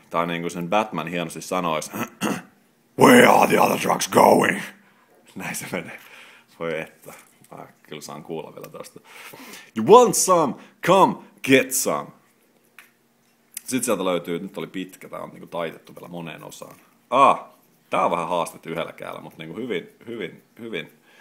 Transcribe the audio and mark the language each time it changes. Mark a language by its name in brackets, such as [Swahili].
[Finnish] Tai niin kuin sen Batman hienosti sanois. [English] Where are the other drugs going? [Finnish] Näin se menee. Voi että. Kyllä saan kuulla vielä tosta. [English] You want some? Come get some. [Finnish] Sitten sieltä löytyy, nyt oli pitkä, tää on niinku taitettu vielä moneen osaan. Tää on vähän haastettu yhdellä käällä, mutta niinku hyvin.